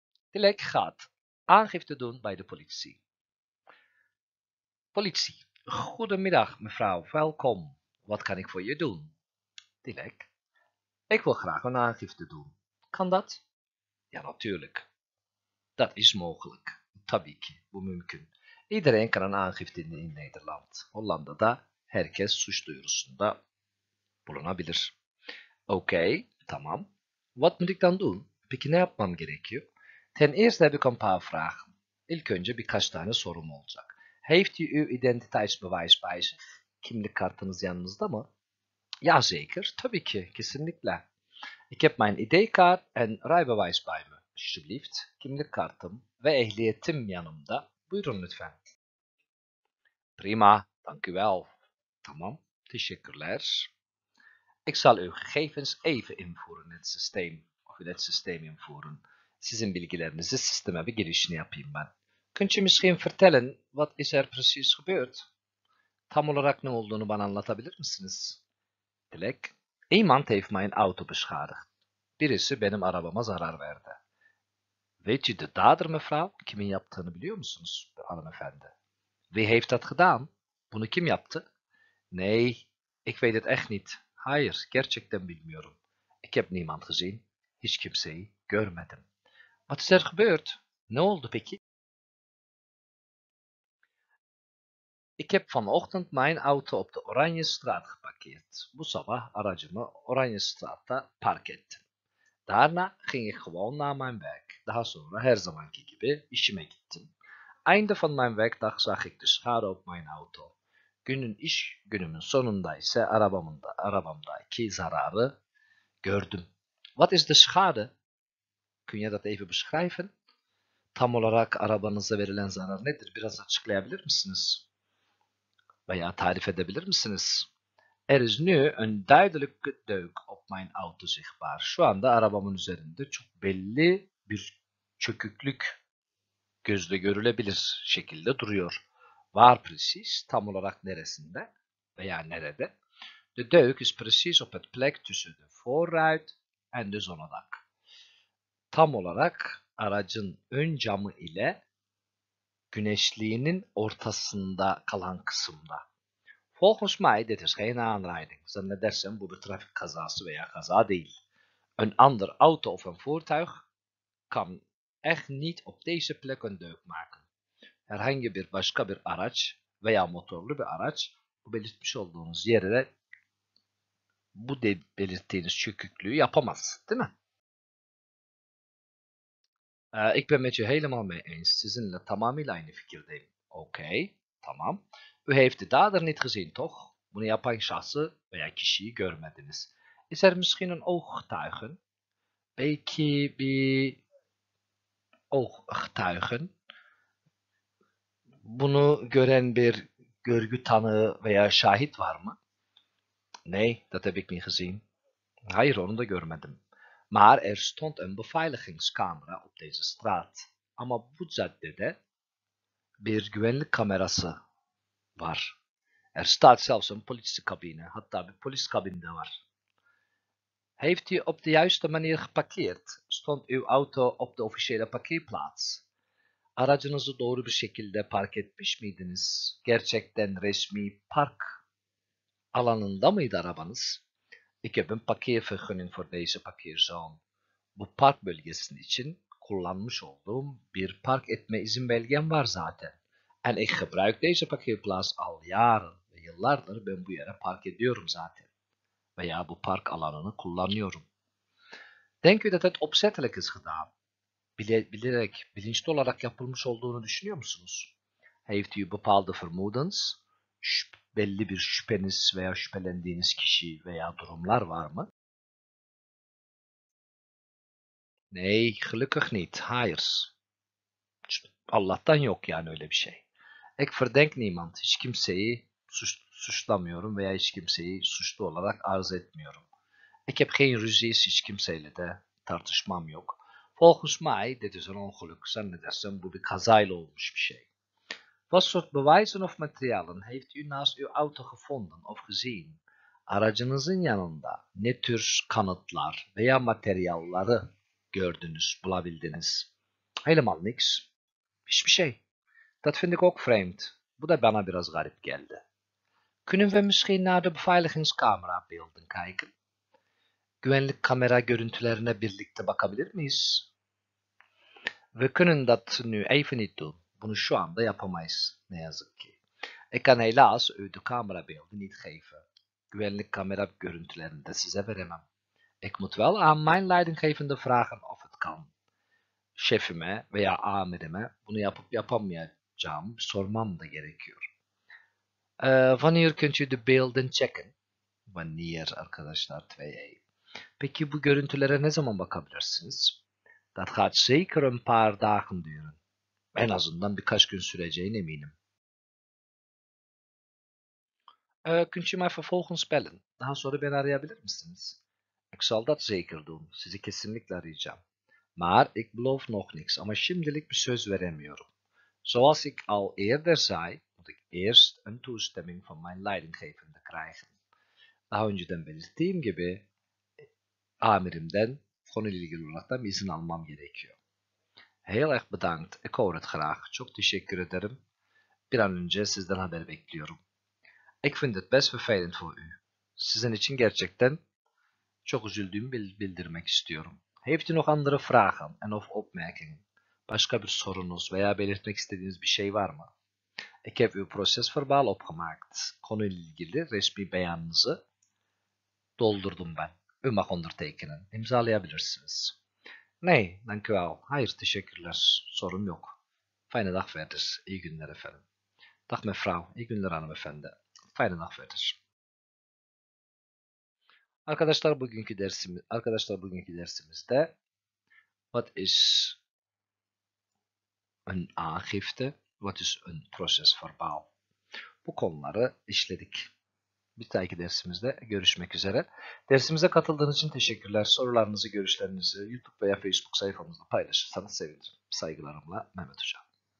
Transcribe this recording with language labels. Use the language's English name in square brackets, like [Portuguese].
[Dutch] Dilek gaat aangifte doen bij de politie. Politie, goedemiddag mevrouw, welkom. Wat kan ik voor je doen? Dilek, ik wil graag een aangifte doen. Kan dat? Ja, natuurlijk. Dat is mogelijk. [Turkish] Tabii ki, bu mümkün. [Dutch] Iedereen kan een aangifte doen in Nederland. [Turkish] Hollanda'da herkes suç duyurusunda bulunabilir. [Dutch] Oké, tamam. Wat moet ik dan doen? [Turkish] Peki ne yapmam gerekiyor? [Dutch] Ten eerste heb ik een paar vragen. [Turkish] İlk önce birkaç tane sorum olacak. [Dutch] Heeft u uw identiteitsbewijs bij zich? [Turkish] Kimlik kartınız yanınızda mı? [Dutch] Ja, zeker. [Turkish] Tabii ki, kesinlikle. [Dutch] Ik heb mijn ID-kaart en rijbewijs bij me. [Turkish] Alsjeblieft, kimlik kartım ve ehliyetim yanımda. Buyurun lütfen. [Dutch] Prima, dank u wel. [Turkish] Tamam, teşekkürler. [Dutch] Ik zal uw gegevens even invoeren in het systeem. Of in het systeem invoeren. Sizin bilgilerinizi sisteme bir girişini yapayım ben. Kunt u misschien vertellen wat is er precies gebeurd? [Turkish] Tam olarak ne olduğunu bana anlatabilir misiniz? [Dutch] Dilek. Iemand heeft mijn auto beschadigd. [Turkish] Birisi benim arabama zarar verdi. [Dutch] Weet u de dader, mevrouw? [Turkish] Kimin yaptığını biliyor musunuz, hanımefendi? [Dutch] Wie heeft dat gedaan? [Turkish] Bunu kim yaptı? [Dutch] Nee, ik weet het echt niet. [Turkish] Hayır, gerçekten bilmiyorum. [Dutch] Ik heb niemand gezien. [Turkish] Hiç kimseyi görmedim. [Dutch] Wat is er gebeurd? [Turkish] Ne oldu peki? [Dutch] Ik heb vanochtend mijn auto op de Oranje Straat geparkeerd. [Turkish] Bu sabah aracımı Oranje Straat'ta park ettim. [Dutch] Daarna ging ik gewoon naar mijn werk. [Turkish] Daha sonra her zamanki gibi işime gittim. [Dutch] Einde van mijn werkdag zag ik de schade op mijn auto. [Turkish] Günün iş günümün sonunda ise arabamdaki zararı gördüm. [Dutch] Wat is de schade? Kun je dat even beschrijven? [Turkish] Tam olarak arabanıza verilen zarar nedir? Biraz açıklayabilir misiniz? Veya tarif edebilir misiniz? [Dutch] Er is nu een duidelijke deuk op mijn auto zichtbaar. [Turkish] Şu anda arabamın üzerinde çok belli bir çöküklük gözle görülebilir şekilde duruyor. Var precies, tam olarak neresinde veya nerede? [Dutch] De deuk is precies op het plek tussen de voorruit en de zonnedak. [Turkish] Tam olarak aracın ön camı ile güneşliğinin ortasında kalan kısımda. [Dutch] Volgens mij dit is geen aanrijding. [Turkish] Zannedersem bu bir trafik kazası veya kaza değil. [Dutch] Een ander auto of een voertuig kan echt niet op deze plek een deuk maken. [Turkish] Herhangi bir başka bir araç veya motorlu bir araç bu belirtmiş olduğunuz yere bu de belirttiğiniz çöküklüğü yapamaz, değil mi? [Dutch] Ik ben met je helemaal mee eens. [Turkish] Sizinle tamamıyla aynı fikirdeyim. [Dutch] Okay. Tamam. U heeft de dader niet gezien, toch? [Turkish] Bunu yapan şahsı veya kişiyi görmediniz. [Dutch] Is er misschien een ooggetuigen? [Turkish] Belki bir ooggetuigen. Bunu gören bir görgü tanığı veya şahit var mı? [Dutch] Nee, dat heb ik niet gezien. [Turkish] Hayır, onu da görmedim. [Dutch] Maar er stond een beveiligingscamera op deze straat. [Turkish] Ama bu caddede bir güvenlik kamerası var. [Dutch] Er staat zelfs een politiecabine. [Turkish] Hatta bir polis kabinde var. [Dutch] Heeft u op de juiste manier geparkeerd? Stond uw auto op de officiële parkeerplaats? [Turkish] Aracınızı doğru bir şekilde park etmiş miydiniz? Gerçekten resmi park alanında mıydı arabanız? [Dutch] Ik heb een parkeervergunning voor deze parkeerzone. [Turkish] Bu park bölgesinin için kullanmış olduğum bir park etme izin belgem var zaten. [Dutch] En ik gebruik deze parkeerplaats al jaren [Turkish] ve yıllardır ben bu yere park ediyorum zaten. Veya bu park alanını kullanıyorum. [Dutch] Denk u dat het opzettelijk is gedaan? [Turkish] Bilerek, bilinçli olarak yapılmış olduğunu düşünüyor musunuz? [Dutch] Heeft u bepaalde vermoedens? [Turkish] Belli bir şüpheniz veya şüphelendiğiniz kişi veya durumlar var mı? [Dutch] Nee, gelukkig niet. [Turkish] Hayır. Allah'tan yok yani öyle bir şey. [Dutch] Ek verdenk niemand. [Turkish] Hiç kimseyi suçlamıyorum veya hiç kimseyi suçlu olarak arz etmiyorum. [Dutch] Ek heb geen ruzies, [Turkish] hiç kimseyle de tartışmam yok. [Dutch] Volgens mij, dit is een ongeluk. [Turkish] Zannedersen, bu bir kazayla olmuş bir şey. [Dutch] Wat soort bewijzen of materialen heeft u naast uw auto gevonden of gezien? [Turkish] Aracınızın yanında ne tür kanıtlar veya materyalları gördünüz, bulabildiniz? [Dutch] Helemaal niks. [Turkish] Hiçbir şey. [Dutch] Dat vind ik ook vreemd. [Turkish] Bu da bana biraz garip geldi. [Dutch] Kunnen we misschien naar de beveiligingscamera beelden kijken? [Turkish] Güvenlik kamera görüntülerine birlikte bakabilir miyiz? [Dutch] We kunnen dat nu even niet doen. [Turkish] Bunu şu anda yapamayız, ne yazık ki. [Dutch] Ik kan helaas u de camera beelden niet geven. [Turkish] Güvenlik kamera görüntülerini de size veremem. [Dutch] Ik moet wel aan mijn leidinggevende vragen of het kan. [Turkish] Şefime veya amirime bunu yapıp yapamayacağım sormam da gerekiyor. [Dutch] Wanneer kunt u de beelden checken? Wanneer, arkadaşlar, 2e. [Turkish] Peki bu görüntülere ne zaman bakabilirsiniz? [Dutch] Dat gaat zeker een paar dagen duren. [Turkish] En azından birkaç gün süreceğine eminim. [Dutch] Kunt u mij vervolgens bellen? [Turkish] Daha sonra beni arayabilir misiniz? [Dutch] Ik zal dat zeker doen. [Turkish] Sizi kesinlikle arayacağım. [Dutch] Maar ik beloof nog niks. [Turkish] Ama şimdilik bir söz veremiyorum. [Dutch] Zoals ik al eerder zei, moet ik eerst een toestemming van mijn leidinggevende krijgen. [Turkish] Daha önceden belirttiğim gibi, amirimden konuyla ilgili olarak da izin almam gerekiyor. [Dutch] Heel erg bedankt. Ik hoor het graag. [Turkish] Çok teşekkür ederim. Bir an önce sizden haber bekliyorum. [Dutch] Ik vind het best vervelend voor u. [Turkish] Sizin için gerçekten çok üzüldüğümü bildirmek istiyorum. [Dutch] Heeft u nog andere vragen en of opmerkingen? [Turkish] Başka bir sorunuz veya belirtmek istediğiniz bir şey var mı? [Dutch] Ik heb uw procesverbaal opgemaakt. [Turkish] Konuyla ilgili resmi beyanınızı doldurdum ben. [Dutch] U mag ondertekenen. [Turkish] İmzalayabilirsiniz. [Dutch] Nee, dank u wel. [Turkish] Hayır, teşekkürler. Sorun yok. [Dutch] Fijne dag verder. [Turkish] İyi günler efendim. [Dutch] Dag mevrouw. [Turkish] İyi günler hanımefendi. [Dutch] Fijne dag verder. [Turkish] Arkadaşlar bugünkü dersimizde [Dutch] wat is een aangifte? Wat is een procesverbaal? [Turkish] Bu konuları işledik. Bir dahaki dersimizde görüşmek üzere. Dersimize katıldığınız için teşekkürler. Sorularınızı, görüşlerinizi YouTube veya Facebook sayfamızda paylaşırsanız sevinirim. Saygılarımla, Mehmet Hocam.